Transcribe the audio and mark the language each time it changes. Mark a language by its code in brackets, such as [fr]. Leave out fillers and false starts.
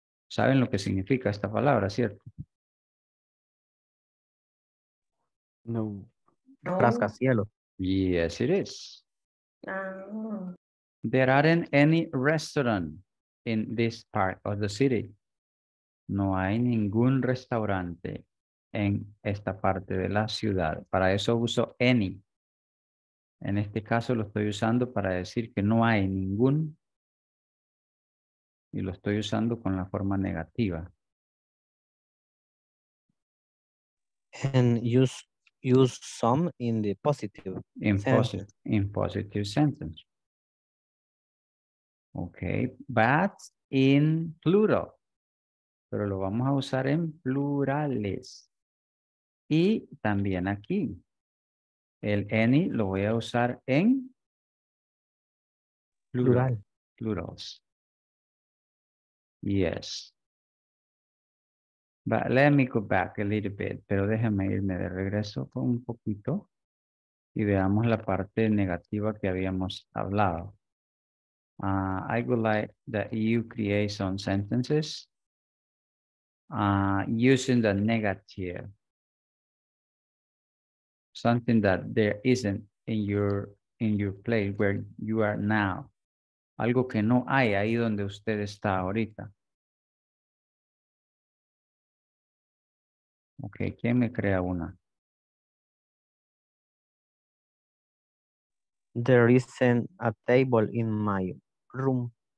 [es] ¿Saben lo que significa esta palabra, cierto? No. Rascacielos. [en] Yes, it is. There aren't any restaurant in this part of the city. [es] No hay ningún restaurante en esta parte de la ciudad. Para eso uso any. En este caso lo estoy usando para decir que no hay ningún y lo estoy usando con la forma negativa. [en] And use some in the positive. In positive sentence. Okay, but in plural. [es] Pero lo vamos a usar en plurales. Y también aquí. El any lo voy a usar en plural. [en] Plurals. Yes. But let me go back a little bit. [es] Pero déjame irme de regreso con un poquito. Y veamos la parte negativa que habíamos hablado. [en] I would like that you create some sentences using the negative. Something that there isn't in your place where you are now. [es] Algo que no hay ahí donde usted está ahorita. Okay, ¿quién me crea una? [en] There isn't a table in my room.